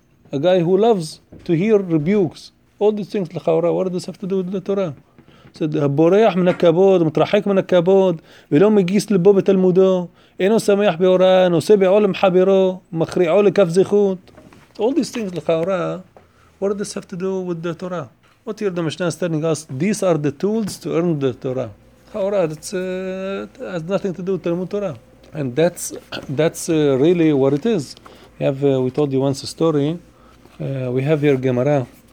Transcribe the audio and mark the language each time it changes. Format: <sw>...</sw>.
<en>A guy who loves to hear rebukes. All these things, what does this have to do with the Torah?</en> <he>Said הבורח מן הכבוד, מתרחק מן הכבוד, ולא מגיס לבו בתלמודו, אינו שמח בהוראה, נושא בעולם חברו, מכריעו לכף זכות.</he> <en>All these things, לכאורה, what does this have to do with the Torah? What here the Mishnah is telling us, these are the tools to earn the Torah. לכאורה, it has nothing to do with תלמוד תורה. And that's really what it is. We told you once a story. We have here Gemara.</en>